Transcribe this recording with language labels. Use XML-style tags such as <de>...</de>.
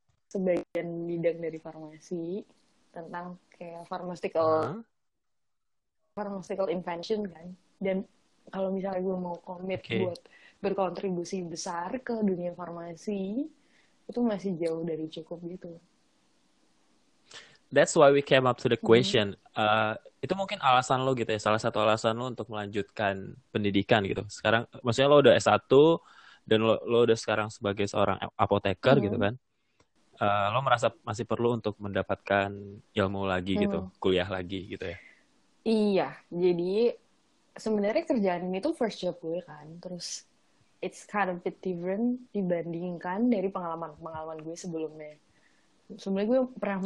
<id>Sebagian bidang dari farmasi tentang kayak pharmaceutical invention kan. Dan kalau misalnya gue mau komit Oke. buat berkontribusi besar ke dunia farmasi, itu masih jauh dari cukup gitu.</id> <en>That's why we came up to the question.</en> <id>Itu mungkin alasan lo gitu ya, salah satu alasan lo untuk melanjutkan pendidikan gitu. Sekarang, maksudnya lo udah S1, dan lo udah sekarang sebagai seorang apoteker gitu kan. Lo merasa masih perlu untuk mendapatkan ilmu lagi gitu, kuliah lagi gitu ya. Iya, jadi sebenarnya kerjaan ini tuh first job gue kan, terus it's kind of bit different dibandingkan dari pengalaman-pengalaman gue sebelumnya. Sebenarnya gue pernah</id>